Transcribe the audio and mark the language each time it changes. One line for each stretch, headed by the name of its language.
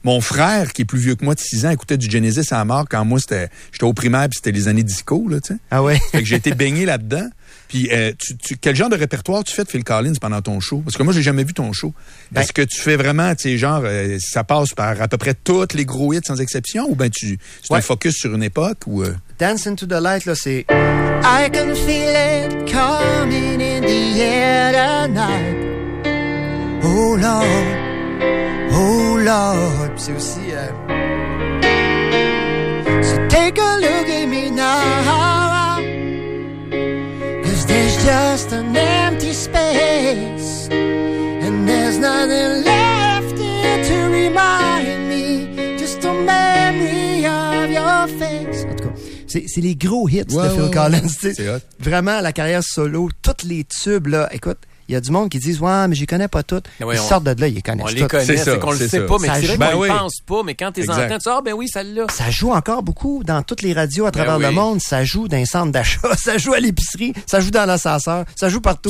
French: Mon frère, qui est plus vieux que moi de 6 ans, écoutait du Genesis à la mort quand moi, j'étais au primaire, puis c'était les années disco, là, tu sais. Ah ouais. Fait que j'ai été baigné là-dedans. Puis, quel genre de répertoire tu fais de Phil Collins pendant ton show? Parce que moi, j'ai jamais vu ton show. Ben, est-ce que tu fais vraiment, tu sais, genre, ça passe par à peu près tous les gros hits sans exception? Ou bien, un focus sur une époque? Ou Dance into the Light, là, c'est...
English: I can feel it coming in the air tonight. Oh Lord, oh Lord.
French: Puis c'est aussi...
English: So take a look at me now. There's just an empty space, and there's nothing left here to remind me, just a memory of your face.
French: En tout cas, c'est les gros hits de Phil Collins. C'est hot. Vraiment, la carrière solo, tous les tubes, là, écoute, il y a du monde qui disent « Ouais, mais je les connais pas toutes. » Ils sortent de là, ils les connaissent toutes. On les connaît, c'est qu'on le sait pas, mais c'est vrai qu'on ne pense pas. Mais quand tu les entends, tu dis « Ah, ben oui, celle-là. » Ça joue encore beaucoup dans toutes les radios à travers le monde. Ça joue dans les centres d'achat, ça joue à l'épicerie, ça joue dans l'ascenseur, ça joue partout.